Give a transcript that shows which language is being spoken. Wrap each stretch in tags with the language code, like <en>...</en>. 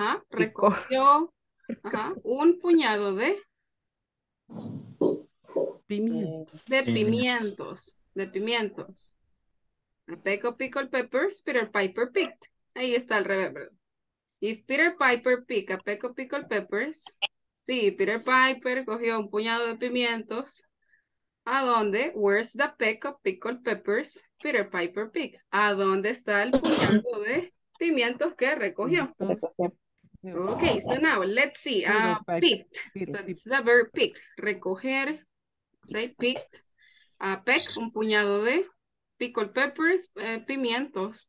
<es>Recogió un puñado de pimientos.</es> <en>A peck of pickled peppers, Peter Piper picked.</en> <es>Ahí está al revés, ¿verdad?</es> <en>If Peter Piper picked a peck of pickled peppers,</en> <es>sí, Peter Piper cogió un puñado de pimientos, ¿a dónde?</es> <en>Where's the peck of pickled peppers Peter Piper picked?</en> <es>¿A dónde está el puñado de pimientos que recogió?</es> <en>Okay, so now let's see. Picked. So it's the verb pick. Recoger. Say picked. A peck,</en> <es>un puñado de</es> <en>pickled peppers, pimientos.</en>